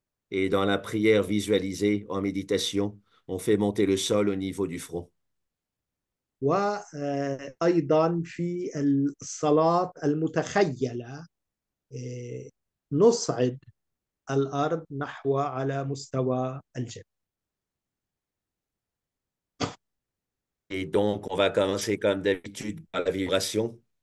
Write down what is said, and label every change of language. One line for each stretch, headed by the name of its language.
French: Et dans la prière visualisée en méditation, on fait monter le sol au niveau du front.
Arabic: وأيضا في الصلاة المتخيلة نصعد الأرض نحو على مستوى الجبهة.
French: Et donc, on va commencer comme d'habitude par la vibration.